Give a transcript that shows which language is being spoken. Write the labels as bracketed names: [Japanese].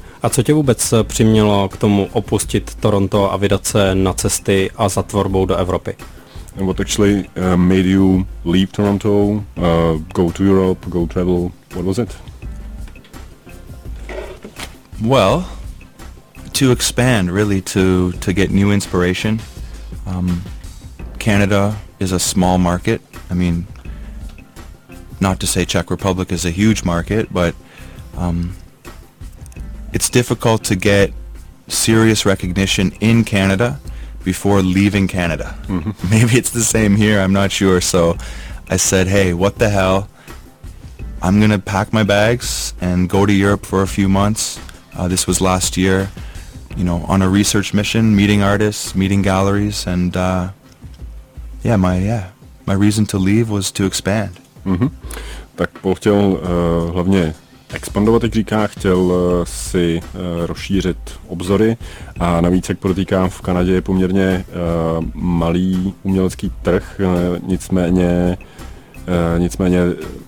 [Czech] A co tě vůbec přimělo k tomu opustit Toronto a vydat se na cesty a za tvorbou do Evropy? [English] What actually made you leave Toronto, go to Europe, go travel? What was it? Well, to expand, really, to get new inspiration. Canada is a small market. I mean, not to say Czech Republic is a huge market, but it's difficult to get serious recognition in Canada before leaving Canada. Mm-hmm. Maybe it's the same here, I'm not sure. So I said, hey, what the hell? I'm going to pack my bags and go to Europe for a few months. This was last year, you know, on a research mission, meeting artists, meeting galleries, and my reason to leave was to expand. Mm-hmm. [Czech] Tak Paul chtěl hlavně expandovat, jak říká, chtěl si rozšířit obzory a navíc, jak podotýkám, v Kanadě je poměrně malý umělecký trh, nicméně